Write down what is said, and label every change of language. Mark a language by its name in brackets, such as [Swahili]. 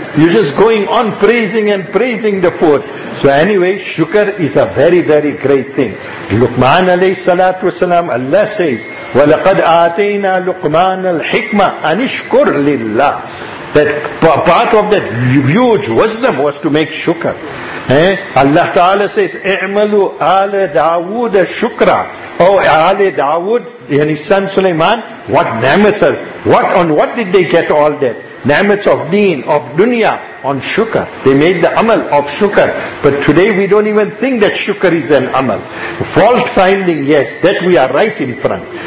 [English] You're just going on praising and praising the food. So anyway, shukr is a very, very great thing. Luqman alayhi salatu wasalam, Allah says, [Arabic] وَلَقَدْ آتَيْنَا لُقْمَانَ الْحِكْمَةَ أَنِشْكُرْ لِلَّهِ. [English] That part of that huge wisdom was to make shukr. Allah Ta'ala says, [Arabic] اِعْمَلُوا آلَ دَاوُودَ شُكْرًا. [English] Oh, Ali Dawood and his son Sulaiman, what ni'mats are, what, on what did they get all that? Ni'mats of deen, of dunya, on shukr. They made the amal of shukr. But today we don't even think that shukr is an amal. Fault finding, yes, that we are right in front.